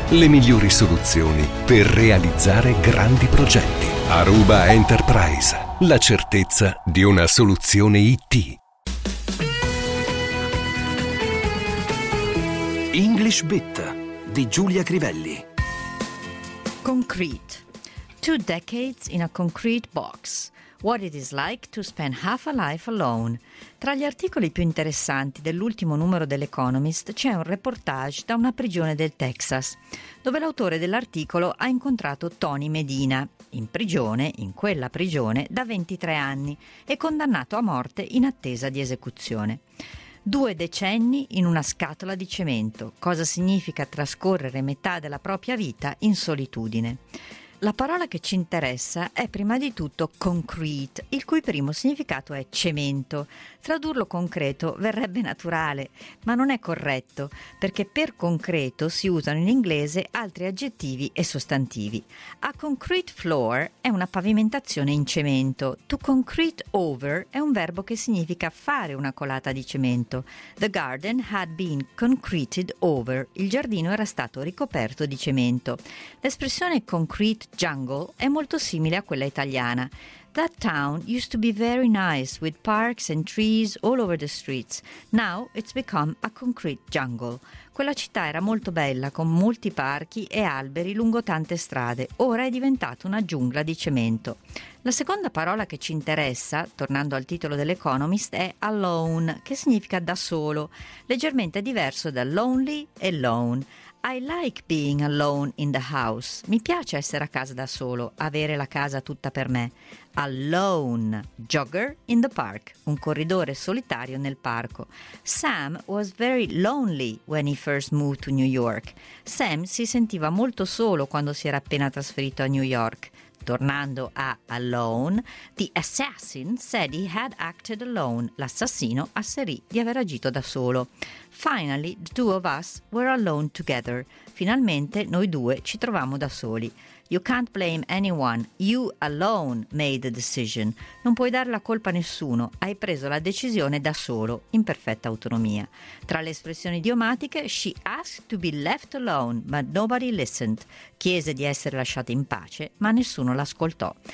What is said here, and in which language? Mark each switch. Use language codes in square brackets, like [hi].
[it] Le migliori soluzioni per realizzare grandi progetti. Aruba Enterprise, la certezza di una soluzione IT. English Bit di Giulia Crivelli. [en] Concrete. 2 decades in a concrete box. What it is like to spend half a life alone. [it] Tra gli articoli più interessanti dell'ultimo numero dell'Economist c'è un reportage da una prigione del Texas, dove l'autore dell'articolo ha incontrato Tony Medina, in prigione, in quella prigione, da 23 anni e condannato a morte in attesa di esecuzione. 2 decenni in una scatola di cemento. Cosa significa trascorrere metà della propria vita in solitudine? La parola che ci interessa è prima di tutto concrete, il cui primo significato è cemento. Tradurlo concreto verrebbe naturale, ma non è corretto, perché per concreto si usano in inglese altri aggettivi e sostantivi. [en] A concrete floor [it] è una pavimentazione in cemento. [en] To concrete over [it] è un verbo che significa fare una colata di cemento. [en] The garden had been concreted over. [it] Il giardino era stato ricoperto di cemento. L'espressione concrete jungle è molto simile a quella italiana. [en] That town used to be very nice with parks and trees all over the streets. Now it's become a concrete jungle. [it] Quella città era molto bella con molti parchi e alberi lungo tante strade. Ora è diventata una giungla di cemento. La seconda parola che ci interessa, tornando al titolo dell'Economist, è alone, che significa da solo, leggermente diverso da lonely e lone. [en] I like being alone in the house. [it] Mi piace essere a casa da solo, avere la casa tutta per me. [en] Alone, jogger in the park, [it] un corridore solitario nel parco. [en] Sam was very lonely when he first moved to New York. [it] Sam si sentiva molto solo quando si era appena trasferito a New York. Tornando a alone, [en] the assassin said he had acted alone. [it] L'assassino asserì di aver agito da solo. [en] Finally, the two of us were alone together. [it] Finalmente, noi due ci trovammo da soli. [en] You can't blame anyone. You alone made the decision. [it] Non puoi dare la colpa a nessuno. Hai preso la decisione da solo, in perfetta autonomia. Tra le espressioni idiomatiche, [en] she asked to be left alone, but nobody listened. [it] Chiese di essere lasciata in pace, ma nessuno l'ascoltò.